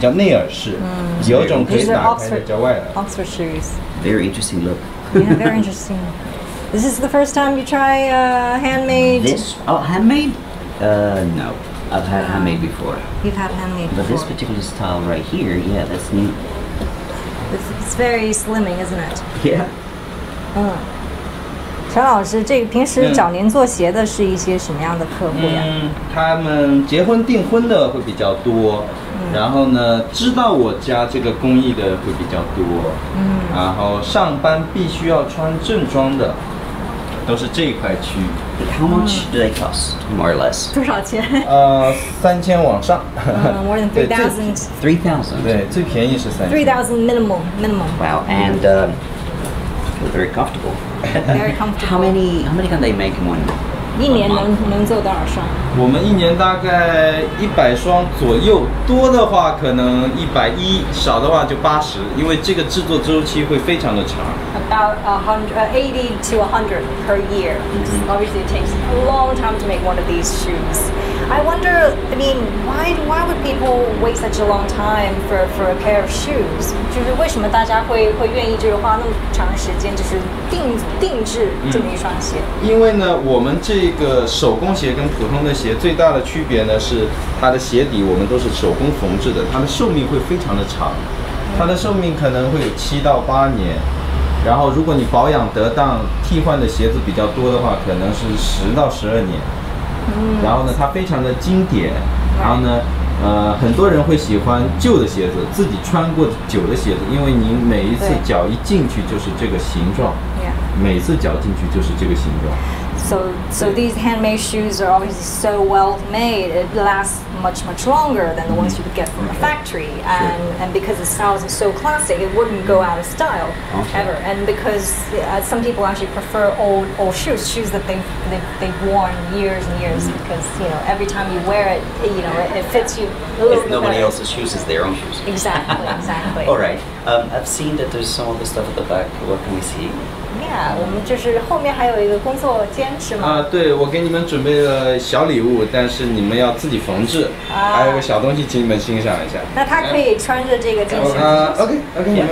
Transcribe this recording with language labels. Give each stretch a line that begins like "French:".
Chinese: 说这个鞋，它的这个耳朵就是跟别的有点不一样，是这个是封起来，其他的是我们这种款是叫牛津的，因为它这个脚背是锁死的，我们有斜眼的地方就鞋耳它是锁死的，叫牛津，也叫内耳式，有种可以打开的叫外耳。
English: Oxford shoes. Very interesting look. Yeah, very interesting. This is the first time you try handmade. This handmade? No. I've had handmade before. You've had handmade before. But this particular style right here, yeah, that's neat. It's very slimming, isn't it? Yeah.
Chinese: 陈老师，这个平时找您做鞋的是一些什么样的客户呀？他们结婚订婚的会比较多，然后呢，知道我家这个工艺的会比较多，然后上班必须要穿正装的，都是这一块区域。
English: How much do they cost, more or less?
Chinese: 多少钱？ 3000往上。
English: More than 3000. 3000.
Chinese: 对，最便宜是三千。
English: 3000 minimum, minimum. Wow, and very comfortable. Very comfortable. How many can they make in one?
Chinese: 一年能做多少双？我们一年大概100双左右，多的话可能110，少的话就80，因为这个制作周期会非常的长。
English: About 80 to 100 per year. Obviously, it takes a long time to make one of these shoes. I wonder. I mean, why would people wait such a long time for a pair of shoes?
Chinese: 就是为什么大家会愿意就是花那么长时间就是定制这么一双鞋？因为呢，我们这个手工鞋跟普通的鞋最大的区别呢是它的鞋底我们都是手工缝制的，它的寿命会非常的长，它的寿命可能会有7到8年。然后如果你保养得当，替换的鞋子比较多的话，可能是10到12年。然后呢，它非常的经典，然后呢，很多人会喜欢旧的鞋子，自己穿过旧的鞋子，因为你每一次脚一进去就是这个形状，每次脚进去就是这个形状。
English: So these handmade shoes are obviously so well made. It lasts much, much longer than the ones you would get from a factory. And because the styles are so classic, it wouldn't go out of style ever. And because some people actually prefer old shoes that they've worn years and years. Because, you know, every time you wear it, you know, it fits you a little bit. If nobody else's shoes, it's their own shoes. Exactly. All right. I've seen that there's some of the stuff at the back. What can we see?
Chinese: 我们就是后面还有一个工作间是吗？对，我给你们准备了小礼物，但是你们要自己缝制，还有个小东西，请你们欣赏一下。那他可以穿着这个进去。